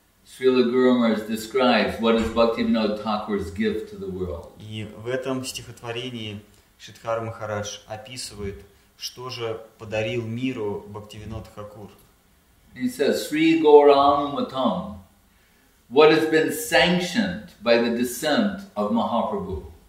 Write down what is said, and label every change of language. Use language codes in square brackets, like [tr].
[en] Srila Guru Maharaj describes what is Bhaktivinoda Thakur's gift to the world. [ru] И в этом стихотворении Шридхар Махарадж описывает, что же подарил миру Бхактивинод Хакур. [en] He says, Sri Gauranamatam, what has been sanctioned by the descent of Mahaprabhu.